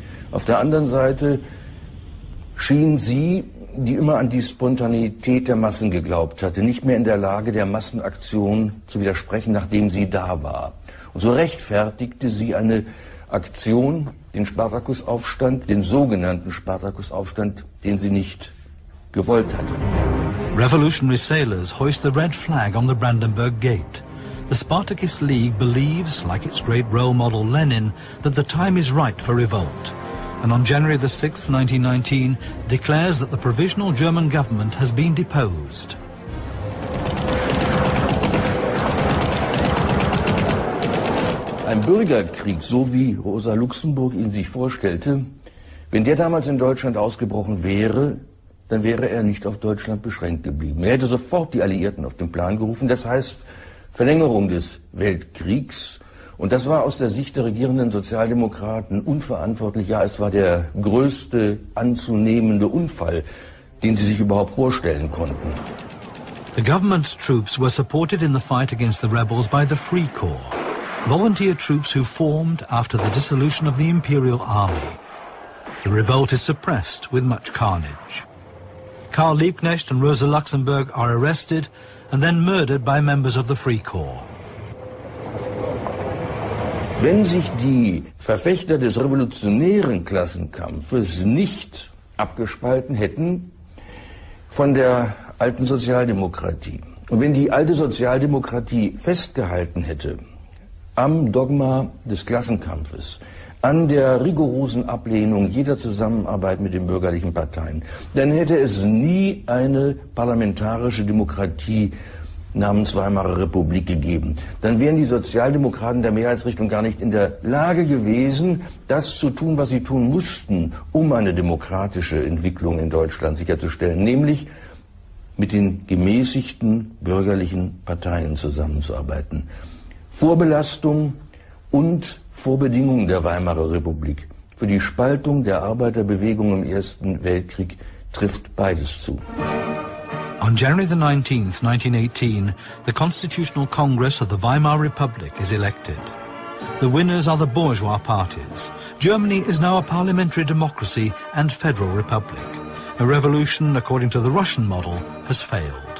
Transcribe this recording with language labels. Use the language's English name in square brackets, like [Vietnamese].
[German] Auf der anderen Seite schien sie, die immer an die Spontaneität der Massen geglaubt hatte, nicht mehr in der Lage, der Massenaktion zu widersprechen, nachdem sie da war. Und so rechtfertigte sie eine Aktion, den Spartakusaufstand, den sogenannten Spartakusaufstand, den sie nicht gewollt hatte. [English] Revolutionary sailors hoist the red flag on the Brandenburg Gate. The Spartacus League believes, like its great role model Lenin, that the time is right for revolt. And on January the 6th, 1919, declares that the provisional German government has been deposed. [German] Ein Bürgerkrieg, so wie Rosa Luxemburg ihn sich vorstellte, wenn der damals in Deutschland ausgebrochen wäre, dann wäre er nicht auf Deutschland beschränkt geblieben. Er hätte sofort die Alliierten auf den Plan gerufen, das heißt Verlängerung des Weltkriegs. Und das war aus der Sicht der regierenden Sozialdemokraten unverantwortlich. Ja, es war der größte anzunehmende Unfall, den sie sich überhaupt vorstellen konnten. [English] The government's troops were supported in the fight against the rebels by the Free Corps, volunteer troops who formed after the dissolution of the Imperial Army. The revolt is suppressed with much carnage. Karl Liebknecht and Rosa Luxemburg are arrested and then murdered by members of the Free Corps. [German] Wenn sich die Verfechter des revolutionären Klassenkampfes nicht abgespalten hätten von der alten Sozialdemokratie und wenn die alte Sozialdemokratie festgehalten hätte am Dogma des Klassenkampfes, an der rigorosen Ablehnung jeder Zusammenarbeit mit den bürgerlichen Parteien, dann hätte es nie eine parlamentarische Demokratie namens Weimarer Republik gegeben. Dann wären die Sozialdemokraten der Mehrheitsrichtung gar nicht in der Lage gewesen, das zu tun, was sie tun mussten, um eine demokratische Entwicklung in Deutschland sicherzustellen, nämlich mit den gemäßigten bürgerlichen Parteien zusammenzuarbeiten. Vorbelastung und Vorbedingungen der Weimarer Republik für die Spaltung der Arbeiterbewegung im Ersten Weltkrieg trifft beides zu. [English] On January the 19th, 1918, the Constitutional Congress of the Weimar Republic is elected. The winners are the bourgeois parties. Germany is now a parliamentary democracy and federal republic. A revolution, according to the Russian model, has failed.